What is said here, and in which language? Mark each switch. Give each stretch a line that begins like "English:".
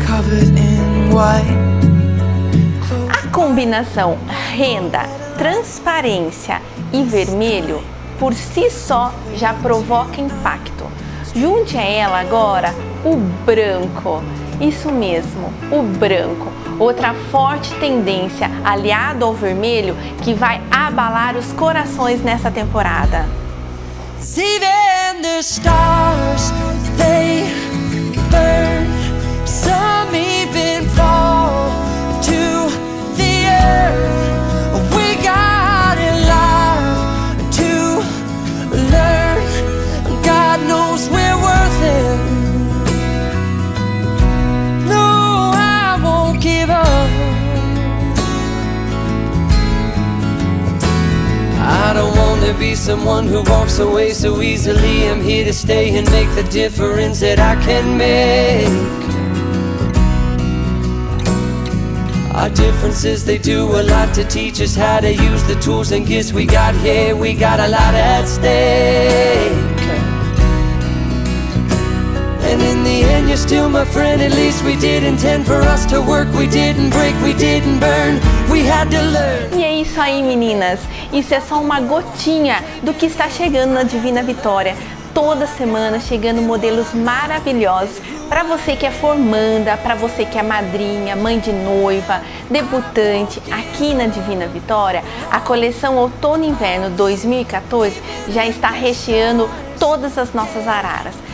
Portuguese: A combinação renda, transparência e vermelho por si só já provoca impacto. Junte a ela agora o branco. Isso mesmo, o branco. Outra forte tendência aliado ao vermelho que vai abalar os corações nessa temporada.
English: Even the stars, they burn. Some even fall to the earth. We got a lot to learn. God knows we're worth it. No, I won't give up. I don't want to be someone who walks away so easily. I'm here to stay and make the difference that I can make. Our differences, they do a lot to teach us how to use the tools and gifts we got here. Yeah, we got a lot at stake. And in the end, you're still my friend. At least we did intend for us to work. We didn't break, we didn't burn. We had to learn.
Portuguese: E é isso aí, meninas. Isso é só uma gotinha do que está chegando na Divina Vitória. Toda semana chegando modelos maravilhosos para você que é formanda, para você que é madrinha, mãe de noiva, debutante, aqui na Divina Vitória, a coleção Outono Inverno 2014 já está recheando todas as nossas araras.